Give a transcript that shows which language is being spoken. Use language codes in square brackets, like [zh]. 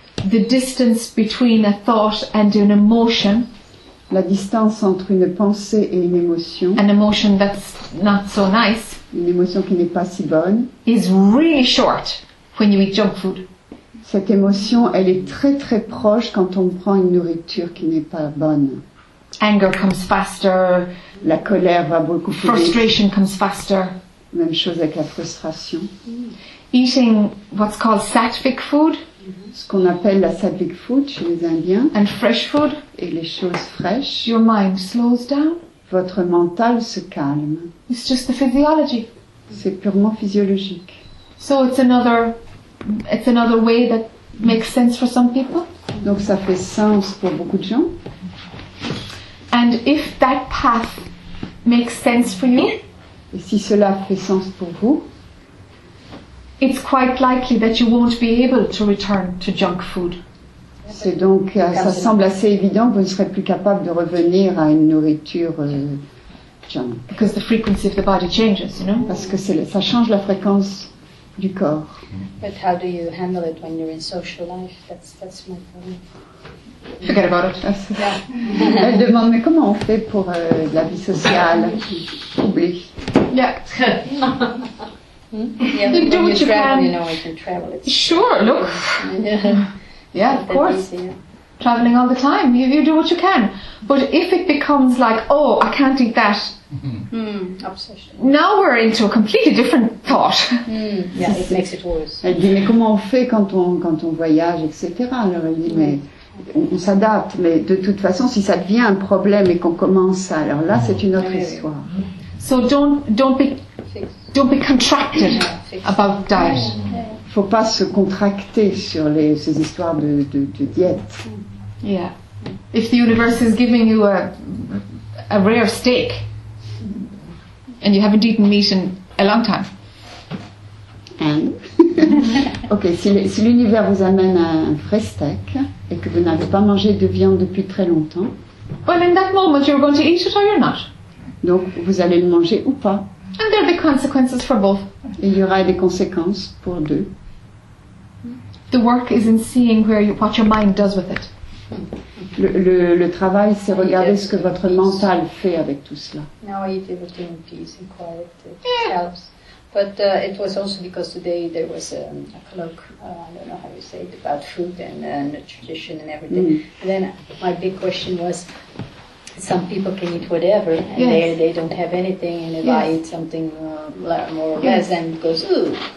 [en] The distance between a thought and an emotion. [fr] La distance entre une pensée et une émotion. [en] An emotion that's not so nice. [fr] Une émotion qui n'est pas si bonne. [en] Is really short. When you eat junk food. [fr] Cette émotion, elle est très très proche quand on prend une nourriture qui n'est pas bonne. [en] Anger comes faster. [fr] La colère va beaucoup plus vite. [en] Frustration comes faster. [fr] Même chose avec la frustration. [en] Eating what's called sattvic food. [fr] Ce qu'on appelle la sattvic food chez les Indiens. [en] And fresh food. [fr] Et les choses fraîches. [en] Your mind slows down. [fr] Votre mental se calme. [en] It's just the physiology. [fr] C'est purement physiologique. [en] So it's another way that makes sense for some people. [fr] Donc ça fait sens pour beaucoup de gens. [en] And if that path makes sense for you, [fr] et si cela fait sens pour vous, [en] it's quite likely that you won't be able to return to junk food. [fr] C'est donc ça semble assez évident que vous ne serez plus capable de revenir à une nourriture junk. [en] Because the frequency of the body changes, you know. [fr] Parce que ça change la fréquence. Du corps. [en] But how do you handle it when you're in social life? That's my problem. Forget about it. Yeah. [fr] Elle demande, mais comment on fait pour la vie sociale? Oublie. [en] Yeah. Hmm? Yeah, do what you travel, can. You know, you can travel. Sure, look. Yeah, of course. Easy, yeah. traveling all the time. You do what you can. But if it becomes like, oh, I can't eat that. Obsession. Now we're into a completely different thought. Yeah, it makes it worse. [fr] Elle dit, mais comment on fait quand on voyage, etc. Alors elle dit, mais on s'adapte. Mais de toute façon, si ça devient un problème et qu'on commence ça, alors là, c'est une autre histoire. [en] So don't be contracted about diet. [fr] Faut pas se contracter sur ces histoires de diète. [en] Yeah. If the universe is giving you a rare steak and you haven't eaten meat in a long time. [fr] Okay, si l'univers vous amène un vrai steak et que vous n'avez pas mangé de viande depuis très longtemps. [en] Well, in that moment you're going to eat it or you're not. [fr] Donc vous allez le manger ou pas. [en] And there'll be consequences for both. [fr] Il y aura des conséquences pour deux. [en] The work is in seeing what your mind does with it. [fr] Le travail, c'est regarder ce que votre mental fait avec tout cela. [en] Now I eat everything in peace and quiet. It helps. But it was also because today there was a colloque, I don't know how you say it, about food and nutrition and everything. And then my big question was, some people can eat whatever, and they don't have anything, and if I eat something more or less, then it goes, ooh.